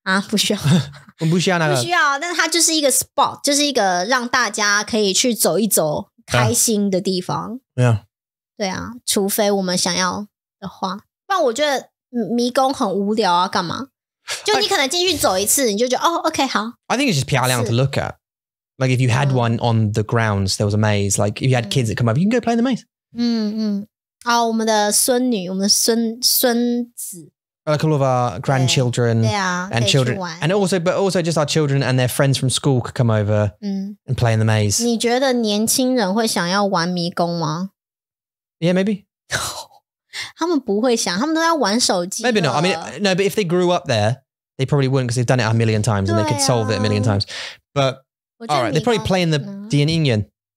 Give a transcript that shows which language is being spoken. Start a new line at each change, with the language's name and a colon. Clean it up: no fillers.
Chinese: 不需要。我们不需要那个。不需要, 但它就是一个spot, 就是一个让大家可以去走一走, 开心的地方。
English: Yeah.
Chinese: 对啊, 除非我们想要的话。不然我觉得迷宫很无聊啊, 干嘛? 就你可能进去走一次, 你就觉得, 哦, OK, 好。
English: I think it's just
Chinese: 漂亮
English: to look at. Like if you had one on the grounds, there was a maze. Like if you had kids that come up, you can go play in the maze. Like all of our grandchildren and children. And also, but also just our children and their friends from school could come over and play in the maze.
Chinese: 你觉得年轻人会想要玩迷宫吗?
English: Yeah, maybe.
Chinese: 他们不会想,他们都要玩手机了。
English: Maybe not. I mean, no, but if they grew up there, they probably wouldn't because they've done it a million times and they could solve it a million times. But, all right, they probably play in the
Chinese: 电影院.